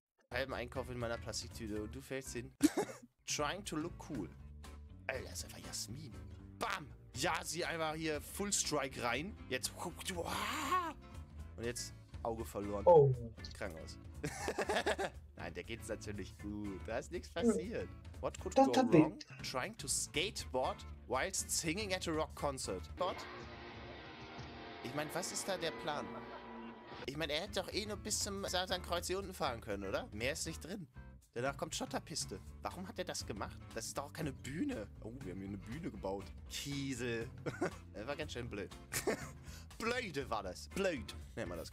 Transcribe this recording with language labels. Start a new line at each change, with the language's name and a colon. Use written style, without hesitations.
German: Halben Einkauf in meiner Plastiktüte und du fällst hin.
English: trying to look cool.
German: Alter, das ist einfach Jasmin. Bam! Ja, sie einfach hier Full Strike rein. Jetzt. Und jetzt Auge verloren. Oh. Krank aus. Nein, der geht's natürlich gut. Da ist nichts passiert.
English: What could
German: das
English: go wrong? Trying to skateboard while singing at a rock concert. What?
German: Ich meine, was ist da der Plan? Ich meine, er hätte doch eh nur bis zum Satankreuz hier unten fahren können, oder? Mehr ist nicht drin. Danach kommt Schotterpiste. Warum hat er das gemacht? Das ist doch auch keine Bühne. Oh, wir haben hier eine Bühne gebaut. Kiesel. Er war ganz schön blöd. Blöde war das. Blöd. Nehmen wir das.